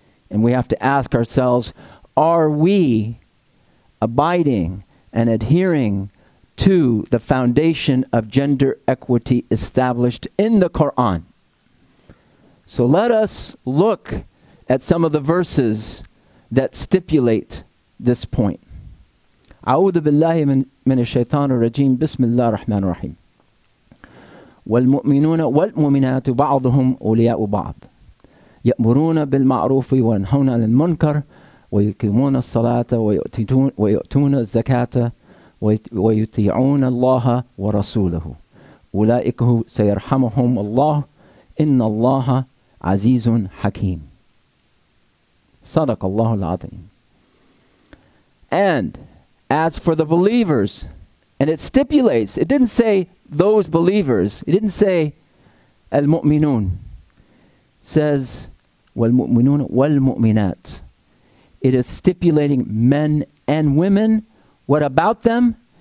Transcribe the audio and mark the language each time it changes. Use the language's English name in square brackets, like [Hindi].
[English] And we have to ask ourselves, are we abiding and adhering to the foundation of gender equity established in the Quran? So let us look at some of the verses that stipulate this point. [Arabic] أعوذ بالله من الشيطان الرجيم بسم الله الرحمن الرحيم والمؤمنون والمؤمنات بعضهم أولياء بعض يأمرون بالمعروف وينهون عن المنكر ويقيمون الصلاة ويؤتون الزكاة ويطيعون الله ورسوله أولئك سيرحمهم الله إن الله عزيز حكيم صدق الله العظيم. [English] And as for the believers, and it stipulates, it didn't say those believers, it didn't say al-mu'minun, says [Arabic] wal-mu'minun wal-mu'minat. [English] It is stipulating men and women. What about them?